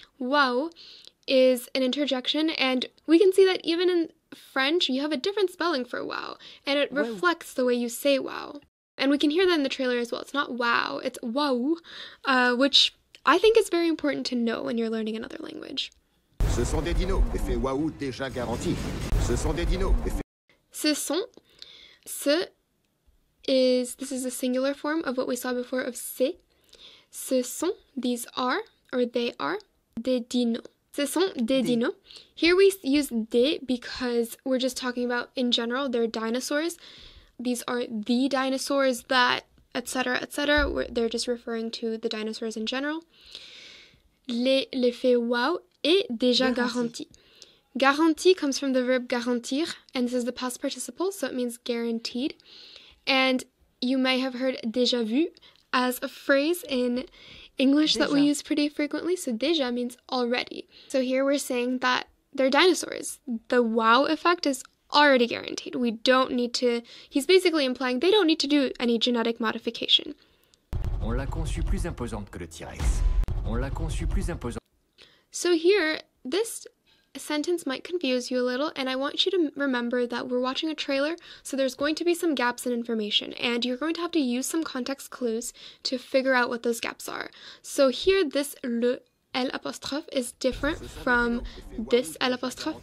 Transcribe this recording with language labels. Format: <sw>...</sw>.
<en>Wow is an interjection, and we can see that even in French, you have a different spelling for wow, and it reflects the way you say wow. And we can hear that in the trailer as well. It's not wow, it's wow, which I think is very important to know when you're learning another language.</en> <fr>Ce sont des dinos, effet wow déjà garanti. Ce sont des dinos, effet... Ce sont,</fr> <en>ce is, this is a singular form of what we saw before of c'est.</en> <fr>Ce sont,</fr> <en>these are, or they are,</en> <fr>des dinos. Ce sont des dinos.</fr> <en>Here we use des because we're just talking about, in general, they're dinosaurs. These are the dinosaurs that, etc., etc. They're just referring to the dinosaurs in general.</en> <fr>L'effet wow est déjà garanti.</fr> <en>Garantie comes from the verb garantir, and this is the past participle, so it means guaranteed. And you may have heard déjà vu as a phrase in English</en> <fr>déjà,</fr> <en>that we use pretty frequently. So déjà means already. So here we're saying that they're dinosaurs. The wow effect is already guaranteed. We don't need to, he's basically implying they don't need to do any genetic modification.</en> <fr>On l'a conçu plus imposante que le T-Rex. On l'a conçu plus imposante.</fr> <en>So here, this sentence might confuse you a little, and I want you to remember that we're watching a trailer, so there's going to be some gaps in information, and you're going to have to use some context clues to figure out what those gaps are. So here, this le l apostrophe is different from this l apostrophe.</en>